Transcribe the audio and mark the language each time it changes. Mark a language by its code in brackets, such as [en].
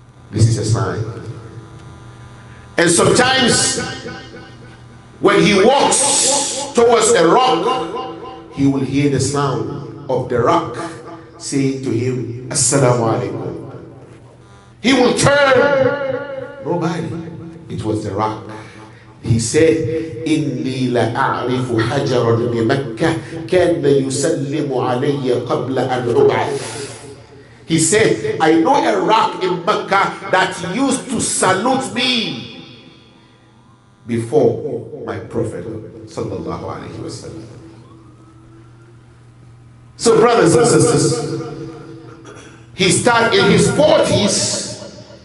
[en] This is a sign. And sometimes, when he walks towards a rock, he will hear the sound of the rock saying to him, As-salamu alaykum. He will turn. Nobody. It was the rock. He said, [ar] إِنِّي لَأَعْرِفُ حَجَرًا بِمَكَّةَ كَانَّ يُسَلِّمُ عَلَيَّ قَبْلَ أَنْ أُبْعَثُ. [en] He said, I know a rock in Mecca that used to salute me before my Prophet sallallahu alayhi wa sallam. So brothers and sisters, he started in his 40s.